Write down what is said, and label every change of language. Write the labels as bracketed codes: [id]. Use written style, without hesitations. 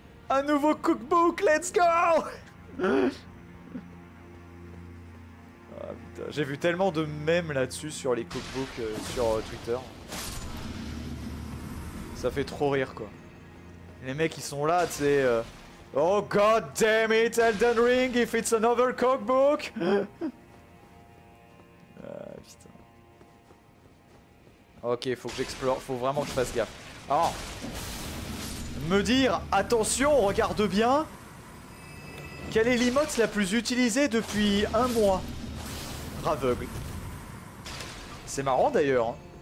[fr] Un nouveau cookbook, [en] let's go! [fr] J'ai vu tellement de mèmes là-dessus sur les cookbooks sur Twitter. Ça fait trop rire quoi. Les mecs ils sont là, tu sais. [en] Oh god damn it, Elden Ring, if it's another cookbook! [fr] Ah putain. Ok, faut que j'explore, faut vraiment que je fasse gaffe. Alors, me dire attention, regarde bien. Quelle est l'emote la plus utilisée depuis un mois? Aveugle. C'est marrant d'ailleurs.